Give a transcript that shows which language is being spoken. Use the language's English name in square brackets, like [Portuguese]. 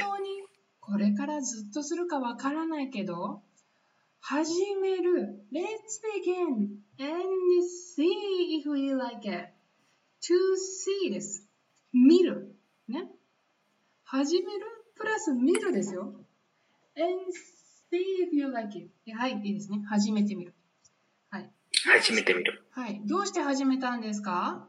[Japanese] 本当にこれからずっとするかわからないけど、始める。 [English] Let's begin and see if we like it. To see [Japanese] です。見る。ね。始めるプラス見るですよ。 [English] And see if you like it. [Japanese] はい、いいですね。初めて見る。はい。初めて見る。はい。どうして始めたんですか？